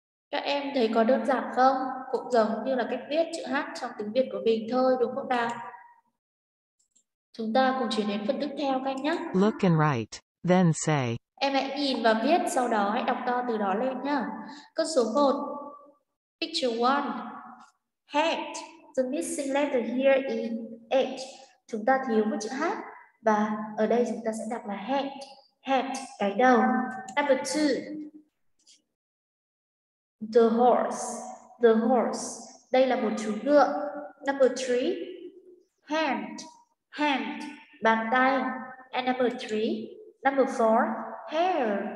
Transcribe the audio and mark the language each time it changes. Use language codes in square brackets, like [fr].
[vi] Các em thấy có đơn giản không? Cũng giống như là cách viết chữ H trong tiếng Việt của mình thôi, đúng không nào? Chúng ta cùng chuyển đến phần tiếp theo các em nhé. [en] Look and write, then say. [vi] Em hãy nhìn và viết, sau đó hãy đọc to từ đó lên nhé. Câu số 1. [en] Picture 1. Hat. The missing letter here is H. [vi] Chúng ta thiếu một chữ H. Và ở đây chúng ta sẽ đọc là hat. Hat, cái đầu. [en] Number 2. The horse. The horse. [vi] Đây là một chú ngựa. [en] Number 3. Hand. Hand, [vi] bàn tay. [en] And number 3. Number 4. Hair.